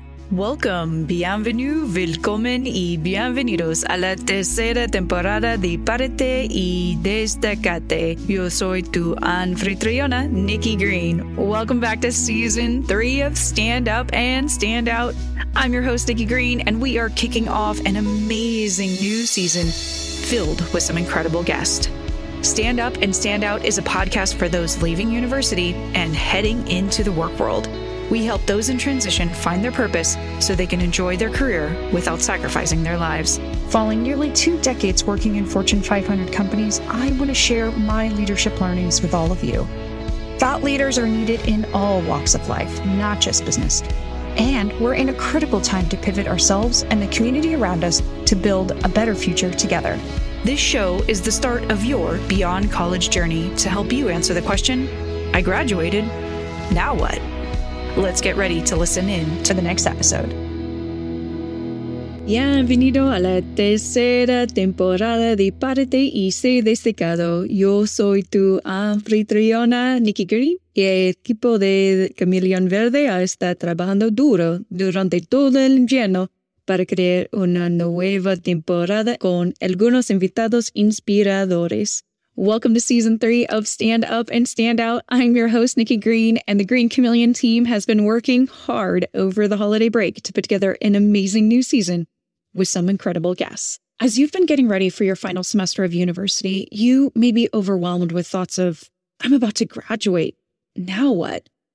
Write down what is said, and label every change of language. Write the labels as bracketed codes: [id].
[en] Welcome, [fr] bienvenue, [de] willkommen [es] y bienvenidos a la tercera temporada de Párate y Destacate. Yo soy tu anfitriona, Nikki Green. [en] Welcome back to season 3 of Stand Up and Stand Out. I'm your host, Nikki Green, and we are kicking off an amazing new season filled with some incredible guests. Stand Up and Stand Out is a podcast for those leaving university and heading into the work world. We help those in transition find their purpose so they can enjoy their career without sacrificing their lives. Following nearly 2 decades working in Fortune 500 companies, I want to share my leadership learnings with all of you. Thought leaders are needed in all walks of life, not just business. And we're in a critical time to pivot ourselves and the community around us to build a better future together. This show is the start of your beyond college journey to help you answer the question, I graduated, now what? Let's get ready to listen in to the next episode. [es] Bienvenido a la tercera temporada de Párate y Sé Destacado. Yo soy tu anfitriona, Nikki Green. Y el equipo de Camellón Verde ha estado trabajando duro durante todo el invierno para crear una nueva temporada con algunos invitados inspiradores. [en] Welcome to season 3 of Stand Up and Stand Out. I'm your host, Nikki Green, and the Green Camellón team has been working hard over the holiday break to put together an amazing new season with some incredible guests. As you've been getting ready for your final semester of university, you may be overwhelmed with thoughts of, I'm about to graduate, now what?